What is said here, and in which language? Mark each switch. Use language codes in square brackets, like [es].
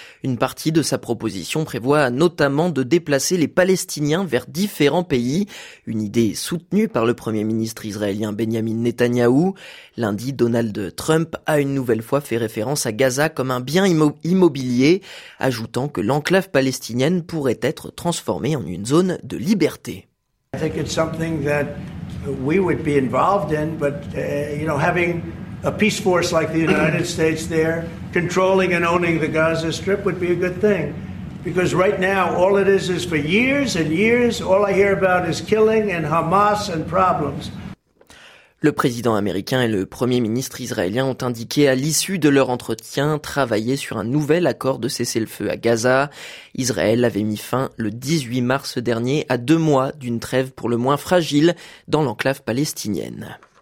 [fr] Une partie de sa proposition prévoit notamment de déplacer les Palestiniens vers différents pays. Une idée soutenue par le premier ministre israélien Benjamin Netanyahou. Lundi, Donald Trump a une nouvelle fois fait référence à Gaza comme un bien immobilier, ajoutant que l'enclave palestinienne pourrait être transformée en une zone de liberté. [en] I think it's something that we would be involved in, but you know, having a peace force like the United States there, controlling and owning the Gaza Strip would be a good thing. Because right now, all it is for years and years, all I hear about is killing and Hamas and problems. [fr] Le président américain et le premier ministre israélien ont indiqué à l'issue de leur entretien travailler sur un nouvel accord de cessez-le-feu à Gaza. Israël avait mis fin le 18 mars dernier à 2 mois d'une trêve pour le moins fragile dans l'enclave palestinienne.